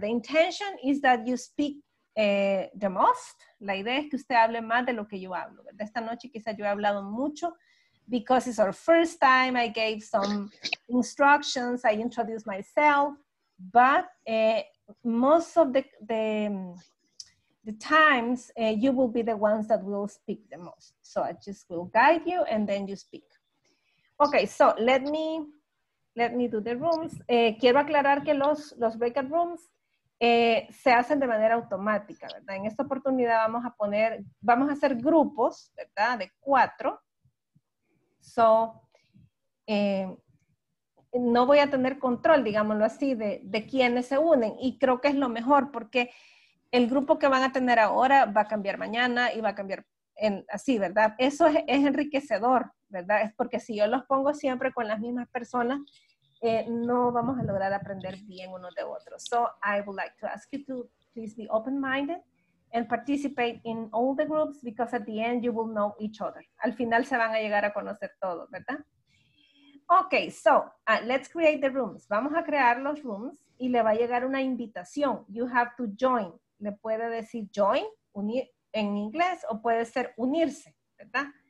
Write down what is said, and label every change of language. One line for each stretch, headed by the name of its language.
English: The intention is that you speak the most.
Spanish: La idea es que usted hable más de lo que yo hablo, ¿verdad? Esta noche quizás yo he hablado mucho.
English: Because it's our first time, I gave some instructions, I introduced myself, but most of the times, you will be the ones that will speak the most. So I just will guide you and then you speak. Okay, so let me do the rooms.
Spanish: Quiero aclarar que los breakout rooms se hacen de manera automática, ¿verdad? En esta oportunidad vamos a hacer grupos, ¿verdad? De cuatro. So, no voy a tener control, digámoslo así, de quiénes se unen. Y creo que es lo mejor porque el grupo que van a tener ahora va a cambiar mañana y va a cambiar así, ¿verdad? Eso es enriquecedor, ¿verdad? Es porque si yo los pongo siempre con las mismas personas, no vamos a lograr aprender bien uno de otro.
English: So, I would like to ask you to please be open-minded. And participate in all the groups because at the end you will know each other.
Spanish: Al final se van a llegar a conocer todos, ¿verdad?
English: Okay, so let's create the rooms.
Spanish: Vamos a crear los rooms y le va a llegar una invitación.
English: You have to join.
Spanish: Le puede decir join, unir en inglés o puede ser unirse, ¿verdad?